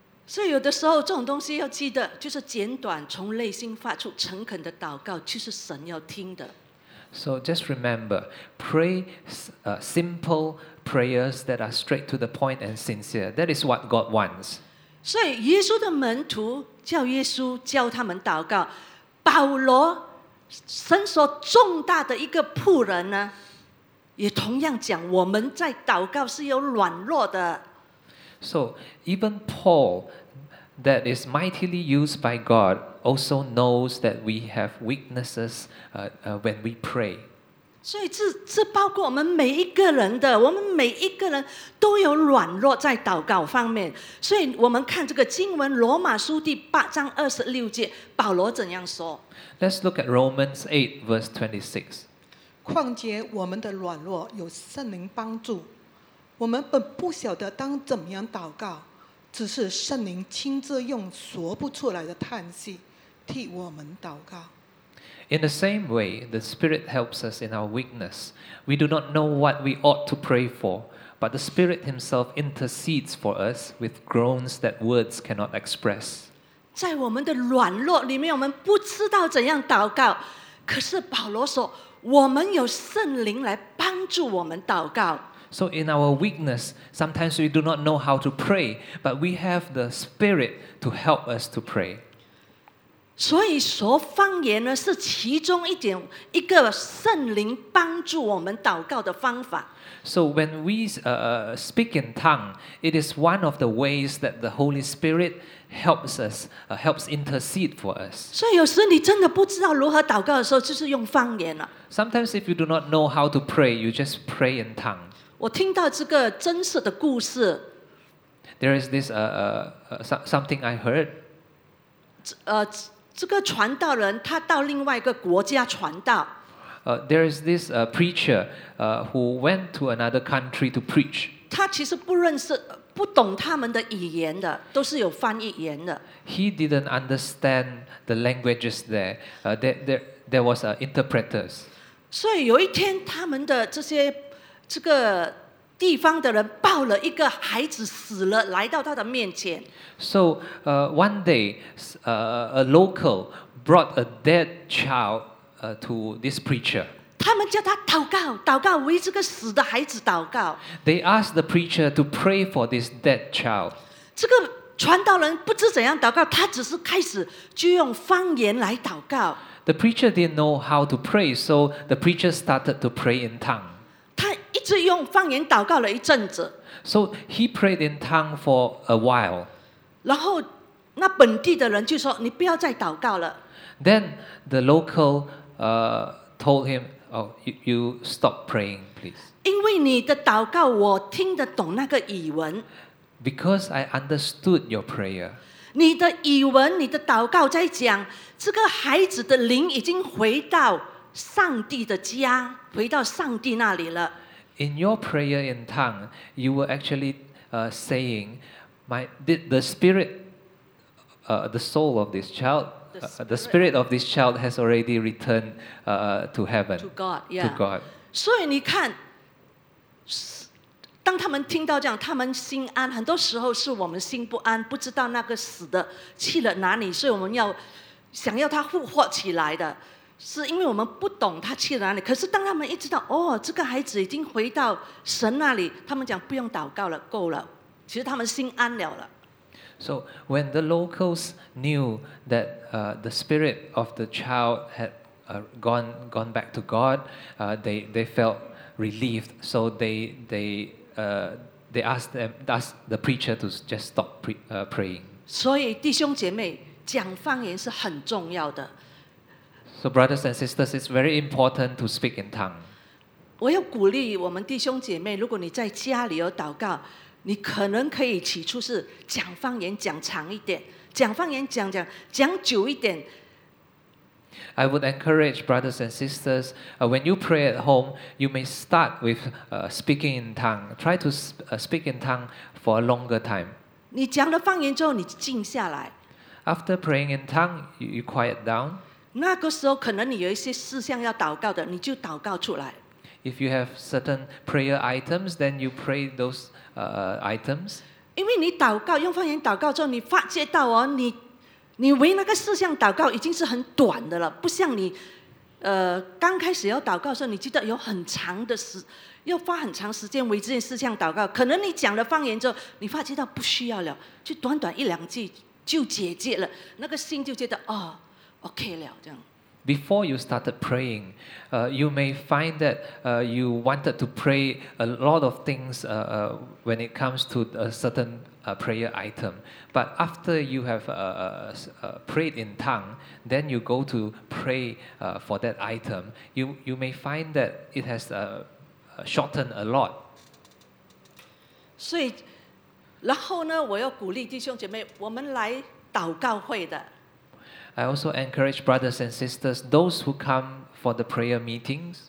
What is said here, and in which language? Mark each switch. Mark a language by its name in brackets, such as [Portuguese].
[Chinese] 所以有的时候这种东西要记得，就是简短，从内心发出诚恳的祷告，就是神要听的。 [English] So just remember, pray simple prayers that are straight to the point and sincere. That is what God wants. [Chinese] 所以耶稣的门徒叫耶稣教他们祷告。保罗，神所重大的一个仆人呢，也同样讲，我们在祷告是有软弱的。 [English] So even Paul, that is mightily used by God,also knows that we have weaknesses when we pray. [Chinese] 所以这包括我们每一个人的，我们每一个人都有软弱在祷告方面。所以我们看这个经文，罗马书第八章二十六节，保罗怎样说？ [English] Let's look at Romans 8 verse 26. [Chinese] 况且我们的软弱有圣灵帮助，我们本不晓得当怎么样祷告，只是圣灵亲自用说不出来的叹息替我们祷告。 [English] In the same way, the Spirit helps us in our weakness. We do not know what we ought to pray for, but the Spirit Himself intercedes for us with groans that words cannot express. [Chinese] 在我们的软弱里面，我们不知道怎样祷告。可是保罗说，我们有圣灵来帮助我们祷告。 [English] So in our weakness, sometimes we do not know how to pray, but we have the Spirit to help us to pray. [Chinese] 所以说方言呢是其中一点一个圣灵帮助我们祷告的方法。 [English] So when we speak in tongue, it is one of the ways that the Holy Spirit helps us, helps intercede for us. [Chinese] 所以有时你真的不知道如何祷告的时候，就是用方言了。 [English] Sometimes if you do not know how to pray, you just pray in tongue. [Chinese] 我听到这个真实的故事。 [English] There is this something I heard. [Chinese] 这个传道人他到另外一个国家传道。 [English] There is this preacher who went to another country to preach. [Chinese] 他其实不认识、不懂他们的语言的，都是有翻译员的。 [English] He didn't understand the languages there. There was interpreters. [Chinese] 所以有一天，他们的这些这个地方的人抱了一个孩子死了，来到他的面前。 [English] So one day, a local brought a dead child. To this preacher. [Chinese] 他们叫他祷告，祷告为这个死的孩子祷告。 [English] They asked the preacher to pray for this dead child. [Chinese] 这个传道人不知怎样祷告，他只是开始就用方言来祷告。 [English] The preacher didn't know how to pray, so the preacher started to pray in tongue. [Chinese] 他一直用方言祷告了一阵子。 [English] So he prayed in tongue for a while. [Chinese] 然后那本地的人就说：“你不要再祷告了。” [English] Then the local told him, "Oh, you stop praying, please." [Chinese] 因为你的祷告，我听得懂那个语文。 [English] Because I understood your prayer. [Chinese] 你的语文，你的祷告在讲，这个孩子的灵已经回到上帝的家，回到上帝那里了。 [English] In your prayer in tongue, you were actually saying, "The spirit, the soul of this child." The spirit of this child has already returned to heaven. To God, yeah. To God. [Chinese] 所以你看，当他们听到这样，他们心安。很多时候是我们心不安，不知道那个死的去了哪里，所以我们要想要他复活起来的，是因为我们不懂他去了哪里。可是当他们一知道，哦，这个孩子已经回到神那里，他们讲不用祷告了，够了。其实他们心安了了。 [English] So when the locals knew that the spirit of the child had gone back to God, they felt relieved. So they asked the preacher to just stop praying. [Chinese] 所以弟兄姐妹讲方言是很重要的。 [English] So brothers and sisters, it's very important to speak in tongue. [Chinese] 我要鼓励我们弟兄姐妹，如果你在家里有祷告。你可能可以起初是讲方言讲长一点，讲方言讲久一点。 [English] I would encourage brothers and sisters, when you pray at home, you may start with speaking in tongue. Try to speak in tongue for a longer time. [Chinese] 你讲了方言之后，你静下来。 [English] After praying in tongue, you quiet down. [Chinese] 那个时候可能你有一些事项要祷告的，你就祷告出来。 [English] If you have certain prayer items, then you pray those items. [Chinese] 因为你祷告用方言祷告之后，你发觉到哦，你为那个事项祷告已经是很短的了，不像你刚开始要祷告的时候，你记得有很长的时要花很长时间为这件事项祷告。可能你讲了方言之后，你发觉到不需要了，就短短一两句就解决了，那个心就觉得哦 ，OK 了这样。 [English] Before you started praying, you may find that you wanted to pray a lot of things when it comes to a certain prayer item. But after you have prayed in tongue, then you go to pray for that item, you may find that it has shortened a lot. [Chinese] 所以，然后呢，我要鼓励弟兄姐妹，我们来祷告会的。 [English] I also encourage brothers and sisters, those who come for the prayer meetings.